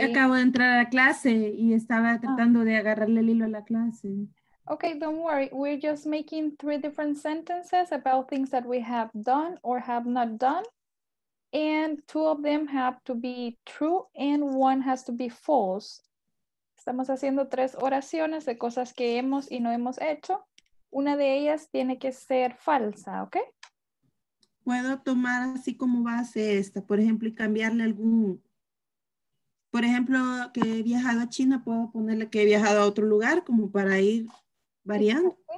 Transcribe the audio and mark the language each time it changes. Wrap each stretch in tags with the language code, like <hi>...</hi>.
<es>Acabo de entrar a la clase y estaba tratando de agarrarle el hilo a la clase.</es> <en>Okay, don't worry. We're just making three different sentences about things that we have done or have not done. And two of them have to be true and one has to be false.</en> <es>Estamos haciendo tres oraciones de cosas que hemos y no hemos hecho. Una de ellas tiene que ser falsa, okay? Puedo tomar así como base esta, por ejemplo, y cambiarle algún... Por ejemplo, que he viajado a China, puedo ponerle que he viajado a otro lugar como para ir variando.</es>